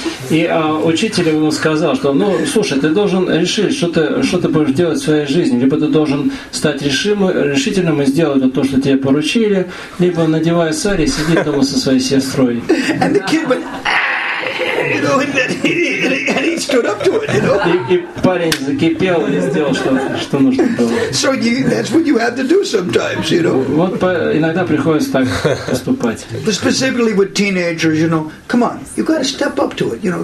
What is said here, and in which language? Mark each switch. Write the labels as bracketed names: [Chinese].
[Russian] И учитель ему сказал, что, ну, слушай, ты должен решить, что ты будешь делать в своей жизни, либо ты должен стать решительным и сделать то, что тебе поручили, либо надевай сари и сиди дома со своей сестрой. [English] And the kid went, and he stood up to it, you know. [Russian] И парень закипел и сделал, что нужно было. [English] So that's what you have to do sometimes, you know. [Russian] Вот иногда приходится так поступать. [English] But specifically with teenagers, you know, come on, you got to step up to it, you know.